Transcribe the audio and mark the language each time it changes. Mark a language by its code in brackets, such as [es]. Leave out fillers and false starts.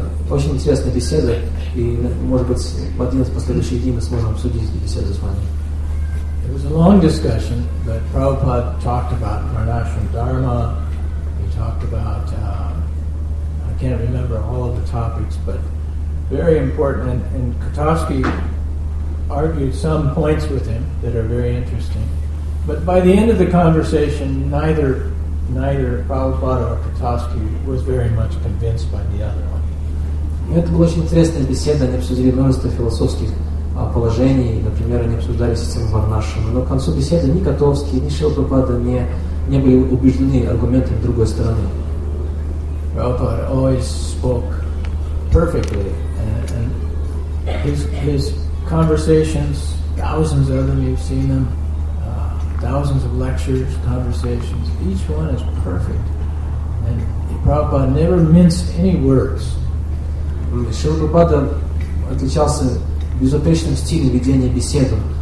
[ru] Очень интересная беседа, и, может быть, в один из последующих дней мы сможем обсудить эту беседу с вами. [en] It was a long discussion, but Prabhupada talked about Varnashram Dharma. He talked about, I can't remember all of the topics, but very important. And Katovsky argued some points with him that are very interesting. But by the end of the conversation, neither Prabhupada or Katovsky was very much convinced by the other one. [ru] Это была очень интересная беседа, они обсудили множество философских о положении, например, они обсуждали систему Варнашрама. Но к концу беседы ни Котовский, ни Шрила Прабхупада не были убеждены аргументами другой стороны. [en] Prabhupada always spoke perfectly, and his conversations, thousands of them, you've seen them, thousands of lectures, conversations, each one is perfect. And Prabhupada never minced any words. [ru] Шрила Прабхупада отличался безупречным стилем ведения беседы.